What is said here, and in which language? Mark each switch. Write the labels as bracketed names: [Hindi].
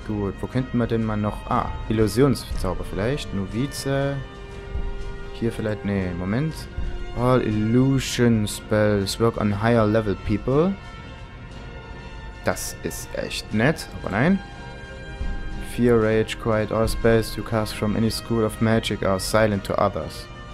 [German] Gut, wo könnten wir denn mal noch... ah, Illusionszauber vielleicht. Novize. Hier vielleicht... nee, Moment. [English] All Illusion Spells work on higher level people. [German] Das ist echt nett, aber nein. [English] Fear, Rage, Quiet, all spells you cast from any school of magic are silent to others.